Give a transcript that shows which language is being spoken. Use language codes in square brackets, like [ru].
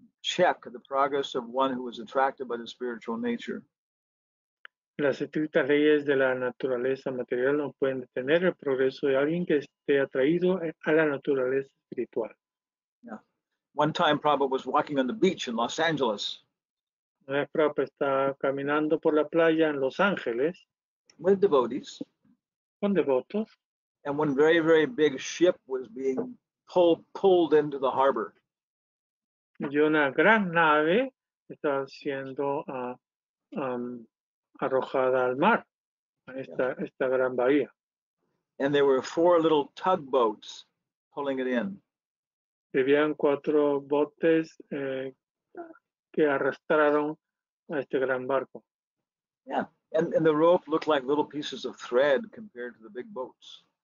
[en] check the progress of one who is attracted by the spiritual nature. [es] Las estrictas leyes de la naturaleza material no pueden detener el progreso de alguien que esté atraído a la naturaleza espiritual. [en] Yeah. One time Prabhupada was walking on the beach in Los Angeles. [es] Una vez Prabhupada estaba caminando por la playa en Los Ángeles. [en] With devotees. [es] Con devotos. [en] And one very, very big ship was being pulled into the harbor. [es] Y una gran nave estaba siendo arrojada al mar, a esta, yeah, esta gran bahía. [en] And there were four little tugboats pulling it in. [es] Y habían cuatro botes que arrastraron a este gran barco. [en] Yeah, and the rope looked like little pieces of thread compared to the big boats.